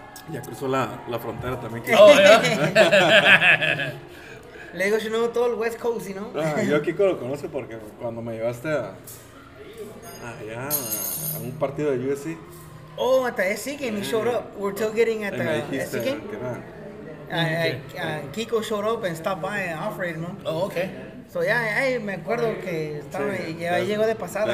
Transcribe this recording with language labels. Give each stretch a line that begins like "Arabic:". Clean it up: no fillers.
Spanish: Ya cruzó la frontera también. Kiko. Oh, yeah. Le digo, si no, todo el West Coast, ¿no? Yo a Kiko lo conozco porque cuando me llevaste a. Allá, a un partido de UFC. Oh, hasta ese sí que me
English: showed up. We're tailgating at the UFC game. Kiko showed up and stopped by and offered,
Spanish: ¿no?
English: Oh, okay.
Spanish: So, ya, yeah, hey, me acuerdo que estaba sí, y ahí llegó de pasada.